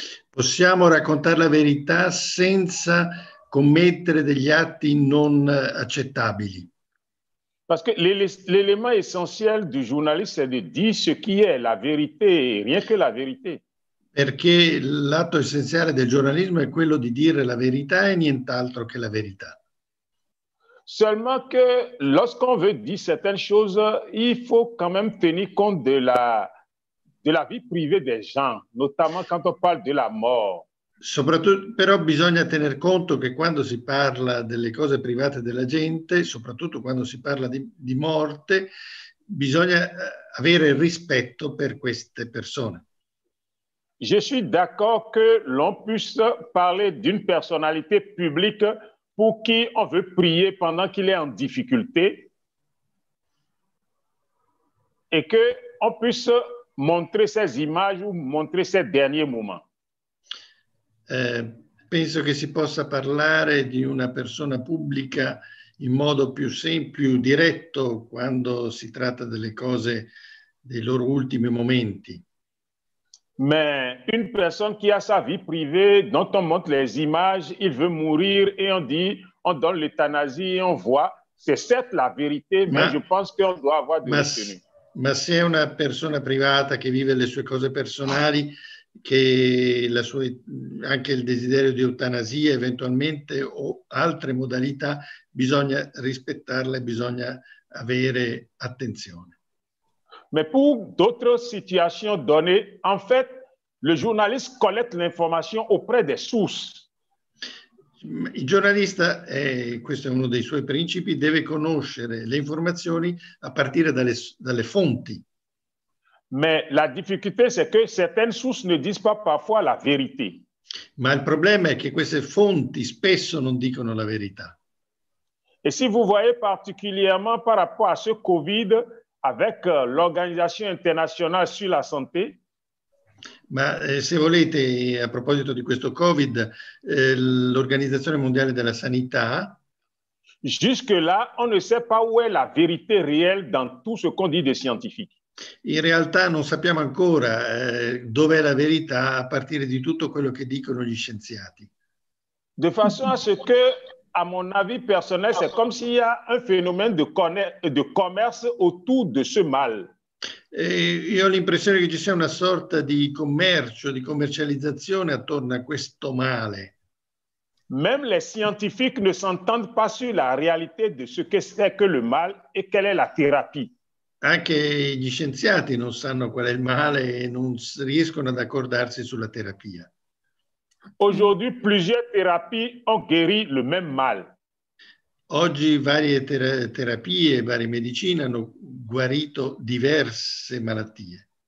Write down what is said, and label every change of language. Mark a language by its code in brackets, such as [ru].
[it] Possiamo raccontare la verità senza commettere degli atti non accettabili. [fr] Parce que l'élément essentiel du journaliste c'est de dire ce qui est la vérité, rien que la vérité. [it] Perché l'atto essenziale del giornalismo è quello di dire la verità e nient'altro che la verità. [fr] Seulement que lorsqu'on veut dire certaines choses, il faut quand même tenir compte de la vie privée des gens, notamment quand on parle de la mort. [it] Soprattutto, però bisogna tener conto che quando si parla delle cose private della gente, soprattutto quando si parla di morte, bisogna avere rispetto per queste persone. [fr] Je suis d'accord que l'on puisse parler d'une personnalité publique pour qui on veut prier pendant qu'il est en difficulté et que on puisse montrer ses images ou montrer ses derniers moments. [it] Penso che si possa parlare di una persona pubblica in modo più semplice, più diretto quando si tratta delle cose dei loro ultimi momenti. [fr] Mais une personne qui a sa vie privée, dont on montre les images, il veut mourir et on dit, on donne l'euthanasie et on voit, c'est certes la vérité, mais je pense qu'on doit avoir du retenu. [it] Ma se è una persona privata che vive le sue cose personali, che la sua, anche il desiderio di eutanasia eventualmente o altre modalità, bisogna rispettarle, bisogna avere attenzione. [fr] Mais pour d'autres situations données, en fait, le journaliste collecte l'information auprès des sources. [it] Il giornalista, questo è uno dei suoi principi, deve conoscere le informazioni a partire dalle fonti. [fr] Mais la difficulté, c'est que certaines sources ne disent pas parfois la vérité. [it] Ma il problema è che queste fonti spesso non dicono la verità. [fr] Et si vous voyez particulièrement par rapport à ce Covid, avec l'Organisation internationale sur la santé. [it] Ma se volete, a proposito di questo Covid, l'Organizzazione Mondiale della Sanità. [fr] Jusque là, on ne sait pas où est la vérité réelle dans tout ce qu'on dit des scientifiques. [it] In realtà non sappiamo ancora dov'è la verità a partire di tutto quello che dicono gli scienziati. [fr] De façon à ce que, à mon avis personnel, c'est comme s'il y a un phénomène de commerce autour de ce mal. [it] E io ho l'impressione che ci sia una sorta di commercio, di commercializzazione attorno a questo male. [fr] Même les scientifiques ne s'entendent pas sur la réalité de ce que c'est que le mal et quelle est la thérapie. [it] Anche gli scienziati non sanno qual è il male e non riescono ad accordarsi sulla terapia. [fr] Aujourd'hui, plusieurs thérapies ont guéri le même mal. [it] Oggi varie terapie, varie medicine hanno guarito diverse malattie.